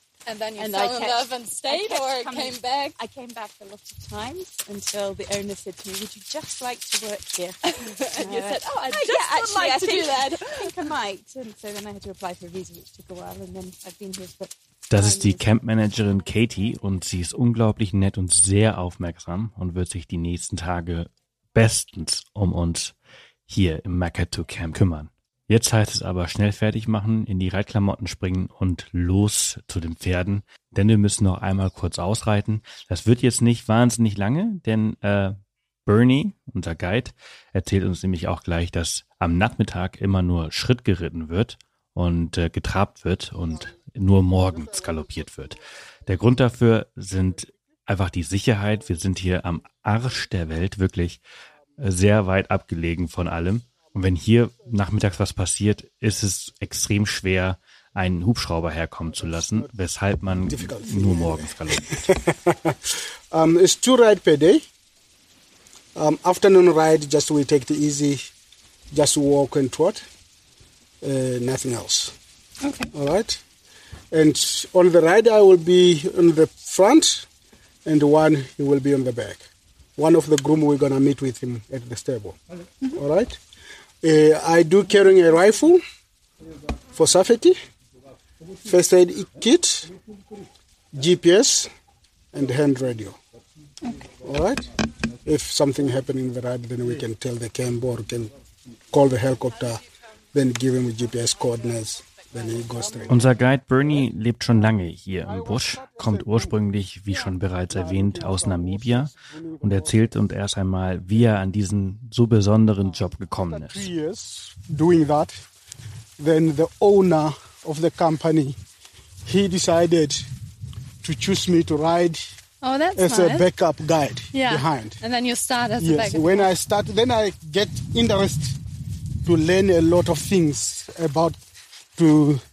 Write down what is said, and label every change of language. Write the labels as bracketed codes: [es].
[en] And then you fell in love and stayed, or came back? I came back a lot of times until the owner said to me, would you just like to work here? And you said, I'd like to do that. I think I might. And so then I had to apply for a visa, which took a while, and then I've been here for... [de] Das ist die Campmanagerin Katie und sie ist unglaublich nett und sehr aufmerksam und wird sich die nächsten Tage bestens um uns hier im Makatu Camp kümmern. Jetzt heißt es aber schnell fertig machen, in die Reitklamotten springen und los zu den Pferden. Denn wir müssen noch einmal kurz ausreiten. Das wird jetzt nicht wahnsinnig lange, denn Bernie, unser Guide, erzählt uns nämlich auch gleich, dass am Nachmittag immer nur Schritt geritten wird und getrabt wird und nur morgens galoppiert wird. Der Grund dafür sind einfach die Sicherheit. Wir sind hier am Arsch der Welt, wirklich sehr weit abgelegen von allem. Und wenn hier nachmittags was passiert, ist es extrem schwer, einen Hubschrauber herkommen zu lassen, weshalb man nur morgens galoppiert. [en] It's two ride per day. Afternoon ride, just we take it easy, just walk and trot, nothing else. Okay. All right. And on the ride, I will be on the front, and one he will be on the back. One of the groom we're gonna meet with him at the stable. Mm-hmm. All right. I do carrying a rifle for safety, first aid kit, GPS, and hand radio. Okay. All right. If something happened in the ride, then we can tell the camp or can call the helicopter, then give him a GPS coordinates, then he goes straight. [de] Unser Guide Bernie lebt schon lange hier im Busch, kommt ursprünglich, wie schon bereits erwähnt, aus Namibia und erzählt uns erst einmal, wie er an diesen so besonderen Job gekommen ist. [en] After 3 years doing that, then the owner of the company, he decided to choose me to ride. Oh, that's as smart. A backup guide, yeah. Behind. And then you start as, yes, a backup. Yes, when I start, then I get interest to learn a lot of things about to.